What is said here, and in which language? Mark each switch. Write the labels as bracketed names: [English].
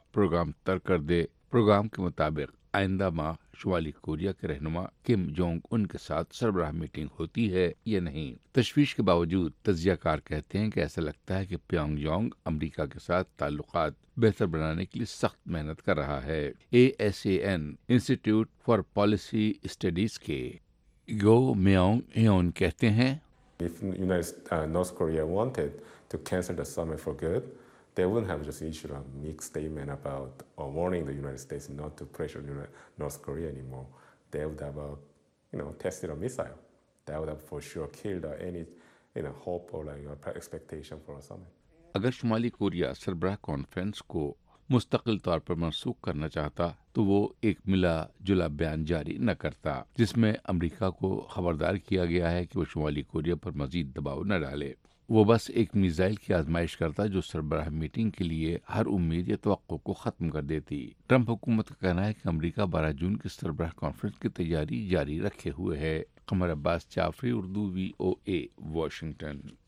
[Urdu] Programme ترک کر دے، programme کے مطابق آئندہ ماہ شمالی کوریا کے رہنما کم جونگ ان کے ساتھ سربراہ میٹنگ ہوتی ہے یا نہیں۔ تشویش کے باوجود تجزیہ کار کہتے ہیں کہ ایسا لگتا ہے کہ پیونگ جونگ امریکہ کے ساتھ تعلقات بہتر بنانے کے لیے سخت محنت کر رہا ہے۔ ASAN institute for policy studies کے گو میونگ ہیون کہتے ہیں، [English] If North Korea wanted to cancel the summit for good, they wouldn't have just issued a mixed statement about or warning the United States not to pressure North Korea anymore. They would have tested a missile. That would have for sure killed any hope or expectation for a summit. [Urdu] اگر شمالی Korea سربراہ conference کو مستقل طور پر منسوخ کرنا چاہتا تو وہ ایک ملا جلا بیان جاری نہ کرتا جس میں امریکہ کو خبردار کیا گیا ہے کہ وہ شمالی کوریا پر مزید دباؤ نہ ڈالے۔ وہ بس ایک میزائل کی آزمائش کرتا جو سربراہ میٹنگ کے لیے ہر امید یا توقع کو ختم کر دیتی۔ ٹرمپ حکومت کا کہنا ہے کہ امریکہ 12 جون کے سربراہ کانفرنس کی تیاری جاری رکھے ہوئے ہے۔ قمر عباس جعفری، اردو، VOA، واشنگٹن۔